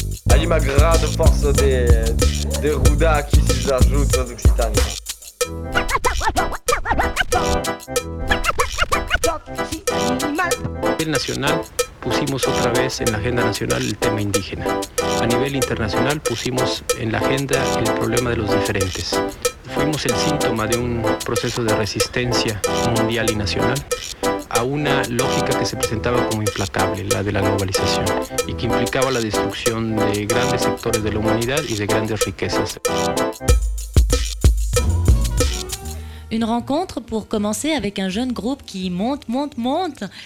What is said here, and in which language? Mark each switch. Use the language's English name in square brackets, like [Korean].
[French] Allez ma grande force des Rouda qui s'ajoute aux Occitanes. Le national. [Spanish] Pusimos otra vez en la agenda nacional el tema indígena. A nivel internacional pusimos en la agenda el problema de los diferentes. fuimos el síntoma de un proceso de resistencia mundial y nacional a una lógica que se presentaba como implacable, la de la globalización, y que implicaba la destrucción de grandes sectores de la humanidad y de grandes riquezas. [French] Une rencontre pour commencer avec un jeune groupe qui monte, monte, monte.